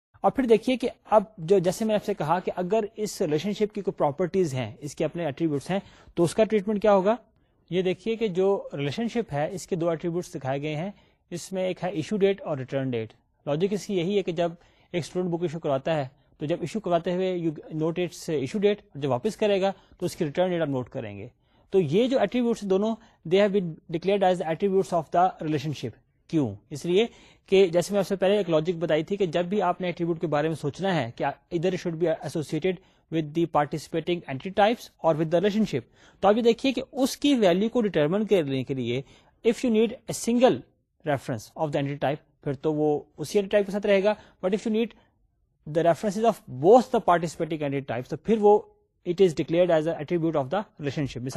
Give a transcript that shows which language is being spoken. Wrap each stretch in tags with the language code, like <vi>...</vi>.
<ur>اور پھر دیکھیے کہ اب جو جیسے میں آپ سے کہا کہ اگر اس ریلیشن شپ کی کوئی پراپرٹیز ہیں, اس کے اپنے ایٹریبیوٹس ہیں, تو اس کا ٹریٹمنٹ کیا ہوگا. یہ دیکھیے کہ جو ریلیشن شپ ہے اس کے دو ایٹریبیوٹس دکھائے گئے ہیں, اس میں ایک ہے ایشو ڈیٹ اور ریٹرن ڈیٹ. لاجک اس کی یہی ہے کہ جب ایک اسٹوڈنٹ بک ایشو کرواتا ہے تو جب ایشو کرواتے ہوئے</ur> <en>you note it's issue date,</en> <ur>جب واپس کرے گا تو اس کی ریٹرن ڈیٹ آپ نوٹ کریں گے. تو یہ جو</ur> <en>Attributes دونوں they have been declared as attributes of the relationship.</en> <ur>کیوں؟ اس لیے کہ جیسے میں آپ سے پہلے ایک لاجک بتائی تھی کہ جب بھی آپ نے ایٹریبیوٹ کے بارے میں سوچنا ہے کہ ادھر</ur> <en>should be associated with the participating entity types or with the relationship,</en> <ur>تو آپ یہ دیکھیے کہ اس کی ویلو کو ڈیٹرمن کرنے کے لیے</ur> <en>if you need a single reference of the entity type</en> <ur>پھر تو وہ اسی اینٹی ٹائپ کے ساتھ رہے گا,</ur> <en>but if you need the reference of both the participating entity type</en> <ur>تو پھر وہ</ur> <en>It is declared as attribute of the relationship.</en>